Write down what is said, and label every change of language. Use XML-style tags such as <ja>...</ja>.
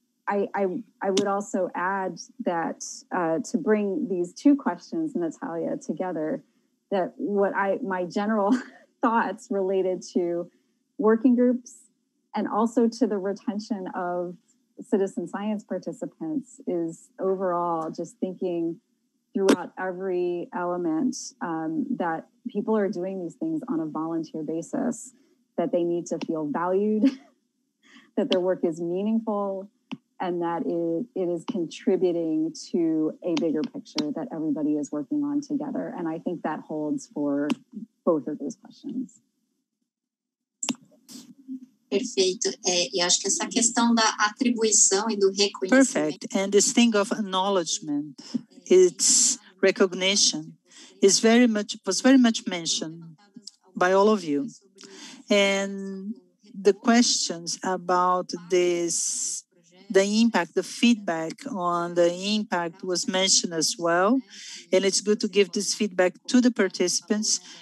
<en>I would also add that to bring these two questions, Natalia, together, that my general thoughts related to working groups and also to the retention of citizen science participants is overall just thinking throughout every element that people are doing these things on a volunteer basis, that they need to feel valued, that their work is meaningful, and that it is contributing to a bigger picture that everybody is working on together. And I think that holds for both of those questions.</en> <pt>Perfeito. Eu acho que essa questão da atribuição e do reconhecimento.</pt> <en>Perfect. And this thing of acknowledgement, its recognition, was very much mentioned by all of you. And the questions about this, the impact, the feedback on the impact was mentioned as well. And it's good to give this feedback to the participants</en>